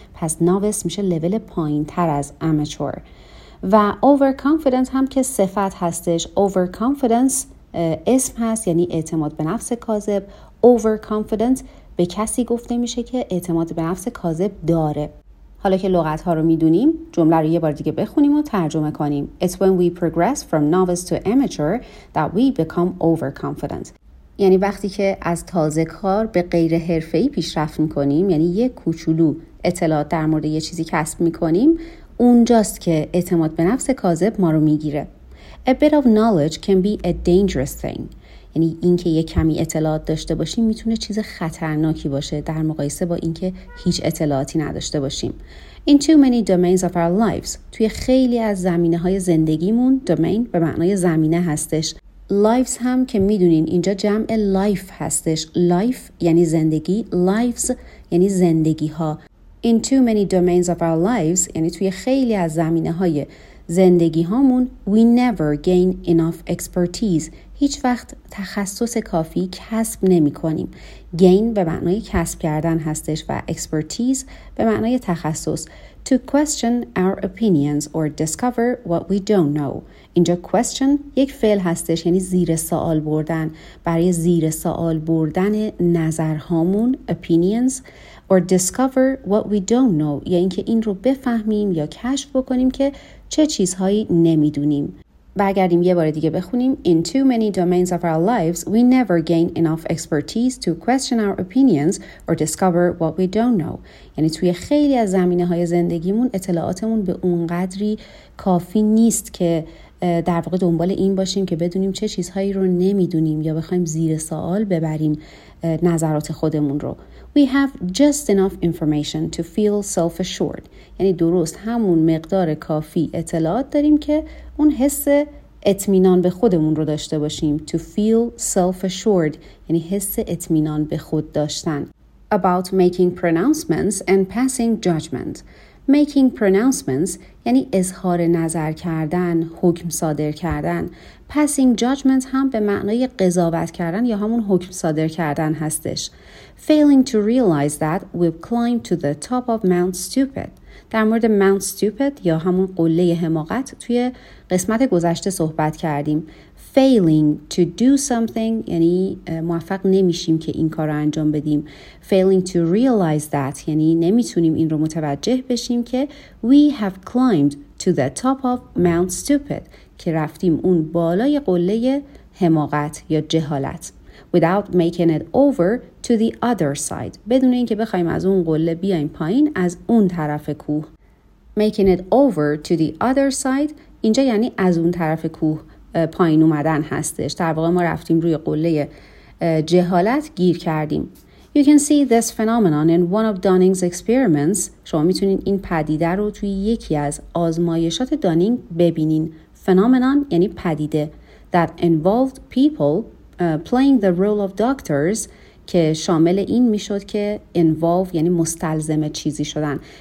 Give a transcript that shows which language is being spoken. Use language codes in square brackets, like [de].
[fa] پس novice میشه لول پایین تر از amateur. و overconfident هم که صفت هستش، overconfidence اسم هست یعنی اعتماد به نفس کاذب. Overconfident به کسی گفته میشه که اعتماد به نفس کاذب داره. حالا که لغت ها رو میدونیم، جمله رو یه بار دیگه بخونیم و ترجمه کنیم. [en] It's when we progress from novice to amateur that we become overconfident. [fa] یعنی وقتی که از تازه کار به غیر حرفه‌ای پیشرفت می‌کنیم، یعنی یه کوچولو اطلاعات در مورد یه چیزی کسب می‌کنیم، اونجاست که اعتماد به نفس کاذب ما رو می‌گیره. [en] A bit of knowledge can be a dangerous thing. [fa] یعنی این که یه کمی اطلاعات داشته باشیم میتونه چیز خطرناکی باشه در مقایسه با اینکه هیچ اطلاعاتی نداشته باشیم. [en] In too many domains of our lives. [fa] توی خیلی از زمینه‌های زندگیمون، domain به معنای زمینه هستش. Lives هم که میدونین اینجا جمع life هستش. Life یعنی زندگی. Lives یعنی زندگی ها. [en] In too many domains of our lives. [fa] یعنی توی خیلی از زمینه های زندگی هامون. [en] We never gain enough expertise. [fa] هیچ وقت تخصص کافی کسب نمی کنیم. Gain به معنای کسب کردن هستش و expertise به معنای تخصص. [en] To question our opinions or discover what we don't know. [fa] اینجا question یک فعل هستش، یعنی زیر سوال بردن، برای زیر سوال بردن نظرهامون، [en] opinions, or discover what we don't know، [fa] یا اینکه این رو بفهمیم یا کشف بکنیم که چه چیزهایی نمیدونیم. برگردیم یه بار دیگه بخونیم. [en] In too many domains of our lives, we never gain enough expertise to question our opinions or discover what we don't know. [fa] یعنی توی خیلی از زمینه‌های زندگیمون اطلاعاتمون به اون قدری کافی نیست که در واقع دنبال این باشیم که بدونیم چه چیزهایی رو نمیدونیم یا بخوایم زیر سوال ببریم نظرات خودمون رو. [en] We have just enough information to feel self-assured. [fa] یعنی درست همون مقدار کافی اطلاعات داریم که اون حس اطمینان به خودمون رو داشته باشیم. [en] To feel self-assured. [fa] یعنی حس اطمینان به خود داشتن. [en] About making pronouncements and passing judgment. Making pronouncements [fa] یعنی اظهار نظر کردن، حکم صادر کردن. [en] Passing judgment [fa] هم به معنای قضاوت کردن یا همون حکم صادر کردن هستش. [en] Failing to realize that we've climbed to the top of Mount Stupid. [fa] در مورد Mount Stupid یا همون قله حماقت توی قسمت گذشته صحبت کردیم. [en] Failing to do something [fa] یعنی موفق نمیشیم که این کار رو انجام بدیم. [en] Failing to realize that [fa] یعنی نمیتونیم این رو متوجه بشیم که [en] we have climbed to the top of Mount Stupid [fa] که رفتیم اون بالای قله حماقت یا جهالت. [en] Without making it over to the other side. [fa] بدون اینکه بخوایم از اون قله بیایم پایین، از اون طرف کوه. [en] Making it over to the other side. [fa] اینجا یعنی از اون طرف کوه پایین اومدن هستش. در واقع ما رفتیم روی قله جهالت گیر کردیم. [en] You can see this phenomenon in one of Dunning's experiments. [fa] شما میتونین این پدیده رو توی یکی از آزمایشات دانینگ ببینین. Phenomenon یعنی پدیده. [en] That involved people playing the role of doctors [fa] که شامل این میشد که involve یعنی مستلزم چیزی شدن.